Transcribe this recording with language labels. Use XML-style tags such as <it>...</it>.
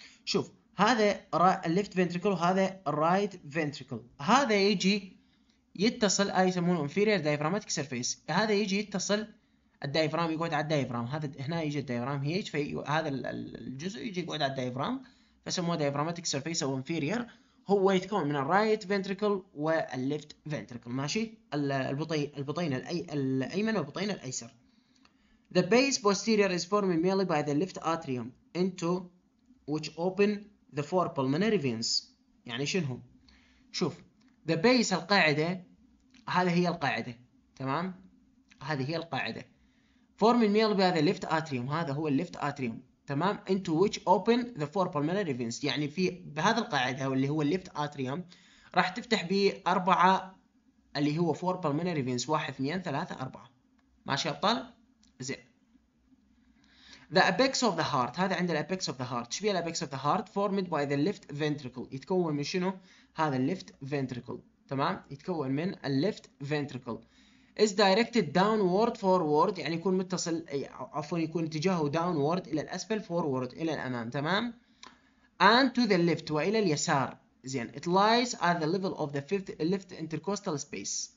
<ar>شوف هذا الليفت فنتريكل وهذا الرايت فنتريكل، هذا يجي يتصل، اي يسمونه انفيرير دايفراماتيك سيرفيس، هذا يجي يتصل الدايفرام، يقعد على الدايفرام، هذا هنا يجي الدايفرام هيج، في هذا الجزء يجي يقعد على الدايفرام، فسموه دايفراماتيك سيرفيس او انفيرير. هو يتكون من الرايت فنتريكل والليفت فنتريكل، ماشي، البطين الايمن والبطين الايسر.</ar> <en>The base posterior is formed mainly by the left atrium into which open the four pulmonary veins.</en> <ar>يعني شنو؟ شوف</ar> <en>the base،</en> <ar>القاعدة، هذه هي القاعدة،</ar> <en>تمام، هذه هي القاعدة، formed mainly by the left atrium، هذا هو left atrium، تمام، into which open the four pulmonary veins.</en> <ar>يعني في بهذا القاعدة اللي هو left atrium راح تفتح بأربعة اللي هو four pulmonary veins، واحد، اثنين، ثلاثة، أربعة، ماشي أبطال؟ زين</ar> <en>The apex of the heart. هذا عند الapex of the heart. شبيه الapex of the heart formed by the left ventricle.</en> <ar>يتكون من شنو؟ هذا left ventricle. تمام؟ يتكون من left ventricle.</ar> <en>is directed downward forward.</en> <ar>يعني يكون متصل عفوا يكون اتجاهه downward إلى الأسفل forward إلى الأمام. تمام؟</ar> <en>and to the left</en> <ar>وإلى اليسار. زين.</ar> <en>it lies at the level of the fifth left intercostal space.</en>